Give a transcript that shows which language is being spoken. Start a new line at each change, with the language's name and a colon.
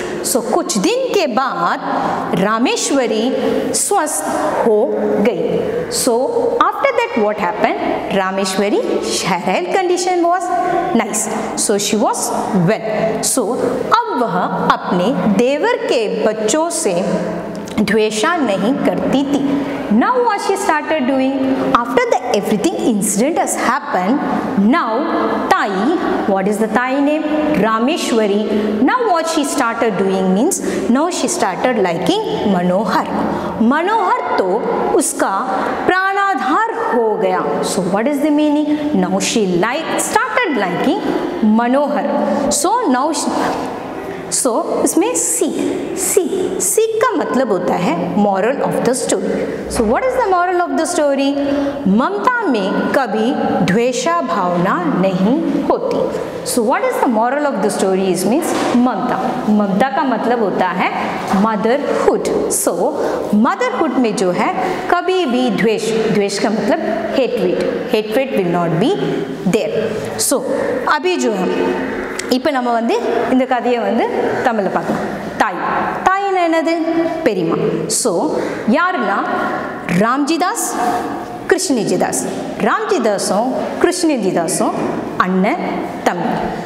Hindi: सो कुछ दिन के बाद रामेश्वरी स्वस्थ हो गई।
English: So after that what happened, Rameshwari health condition was nice.
Hindi: So
English: She was well.
Hindi: सो अब वह अपने देवर के बच्चों से द्वेषा नहीं करती थी।
English: Now what she started doing, after the everything incident has happened, now Tai, what is the Tai name? Rameshwari. Now what she started doing means, now she started liking Manohar.
Hindi: Manohar to uska pranadhar ho gaya.
English: So what is the meaning? Now she started liking Manohar. So now she...
Hindi: सो इसमें सीख का मतलब होता है
English: Moral of the story. So what is the moral of the story,
Hindi: ममता में कभी द्वेषा भावना नहीं होती।
English: So what is the moral of the story is means ममता।
Hindi: ममता का मतलब होता है मदरहुड। सो मदरहुड में जो है कभी भी द्वेष का मतलब
English: Hatred will not be there.
Hindi: सो अभी जो है
Tamil: இப்போ நம்ம வந்து இந்த கதையை வந்து தமிழில் பார்க்கலாம். தாய் தாய் என்னது? பெரியம்மா. ஸோ யாருனா ராம்ஜிதாஸ் கிருஷ்ணஜிதாஸ். ராம்ஜிதாஸும் கிருஷ்ணஜிதாஸும் அண்ணன் தம்பி.